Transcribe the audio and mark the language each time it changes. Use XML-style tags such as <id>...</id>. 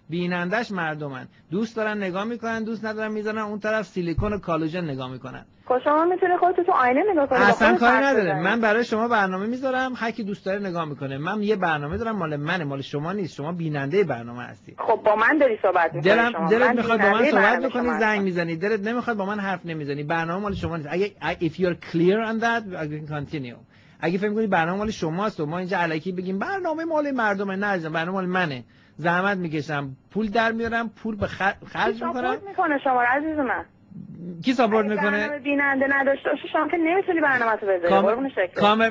<fa>بینندش مردمن. دوست دارن نگاه میکنن، دوست ندارن میذارن اون طرف سیلیکون و کالوجن نگاه میکنن. شما میتونه خودت تو آینه نگاه کنی. اصلا کاری نداره. من برای شما برنامه میذارم، هر کی دوست داره نگاه میکنه. من یه برنامه دارم مال من، مال شما نیست. شما بیننده برنامه هستی. خب با من داری صحبت میکنی. دلت میخواد با من صحبت میکنی زنگ میزنی. دلت نمیخواد با من حرف نمیزنی. برنامه مال شما نیست.</fa> <en>If you are clear on that, I can continue.</en> <fa>اگه فهم کنی برنامه مال شماست و ما اینجا علکی بگیم برنامه مال مردمه، نه عزیزم برنامه مال منه. زحمت میکشم، پول در میارم، پول به خرج میکنم. کی ساپورت میکنه شما را عزیز من؟ کی ساپورت میکنه؟ برنامه بیننده نداشته باشه شما که نمیتونی برنامه تو بذاری.</fa>